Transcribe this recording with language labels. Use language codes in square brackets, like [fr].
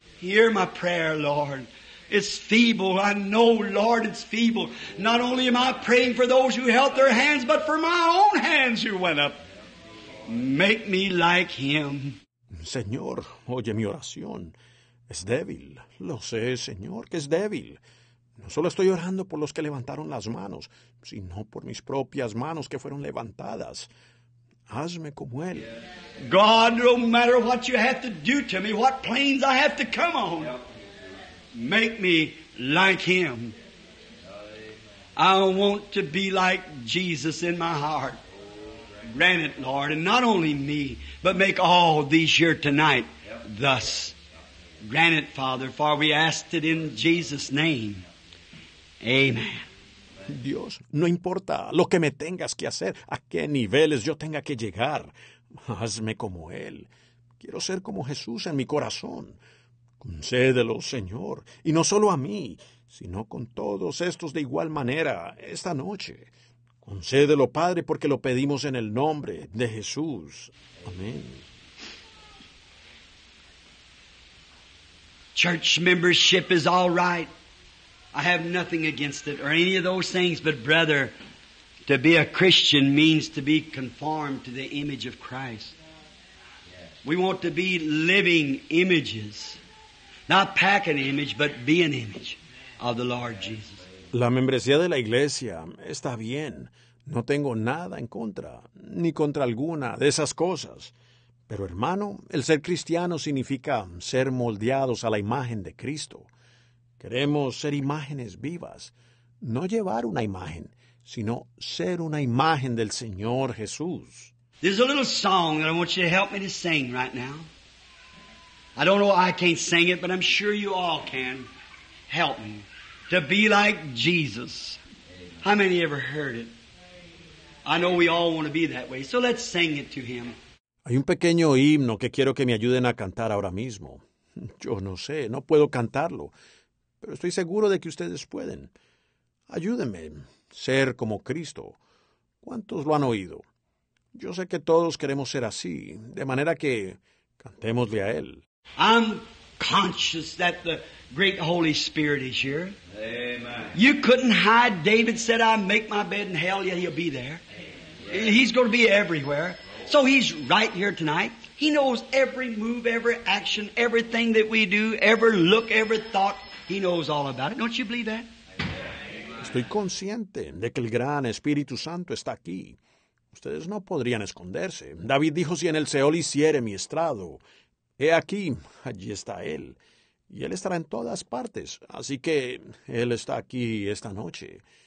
[en] Hear my prayer, Lord. It's feeble. I know, Lord, it's feeble. Not only am I praying for those who held their hands, but for my own hands who went up. Make me like Him. [es] Señor, oye mi oración. Es débil. Lo sé, Señor, que es débil. No solo estoy orando por los que levantaron las manos, sino por mis propias manos que fueron levantadas. Hazme como Él. [en] God, no matter what you have to do to me, what planes I have to come on, make me like Him. I want to be like Jesus in my heart. Grant it, Lord, and not only me, but make all these here tonight thus. Grant it, Father, for we asked it in Jesus' name. Amen. [es] Dios, no importa lo que me tengas que hacer, a qué niveles yo tenga que llegar, hazme como Él. Quiero ser como Jesús en mi corazón. Concédelo, Señor, y no solo a mí, sino con todos estos de igual manera esta noche. Concédelo, Padre, porque lo pedimos en el nombre de Jesús. Amén. [en] Church membership is all right. I have nothing against it or any of those things, but brother, to be a Christian means to be conformed to the image of Christ. We want to be living images, not pack an image, but be an image of the Lord Jesus. [es] La membresía de la iglesia está bien. No tengo nada en contra, ni contra alguna de esas cosas. Pero hermano, el ser cristiano significa ser moldeados a la imagen de Cristo. Queremos ser imágenes vivas, no llevar una imagen, sino ser una imagen del Señor Jesús. [en] There's a little song that I want you to help me to sing right now. I don't know why I can't sing it, but I'm sure you all can. Help me. To be like Jesus. How many ever heard it? I know we all want to be that way, so let's sing it to Him. [es] Hay un pequeño himno que quiero que me ayuden a cantar ahora mismo. Yo no sé, no puedo cantarlo. Pero estoy seguro de que ustedes pueden. Ayúdenme, ser como Cristo. ¿Cuántos lo han oído? Yo sé que todos queremos ser así, de manera que cantémosle a Él. [en] I'm conscious that the great Holy Spirit is here. Amen. You couldn't hide. David said, I make my bed in hell. Yeah, he'll be there. Amen. He's going to be everywhere. So he's right here tonight. He knows every move, every action, everything that we do, every look, every thought. He knows all about it. Don't you believe that? [es] Estoy consciente de que el gran Espíritu Santo está aquí. Ustedes no podrían esconderse. David dijo, si en el Seol hiciere mi estrado, he aquí, allí está él. Y él estará en todas partes. Así que él está aquí esta noche.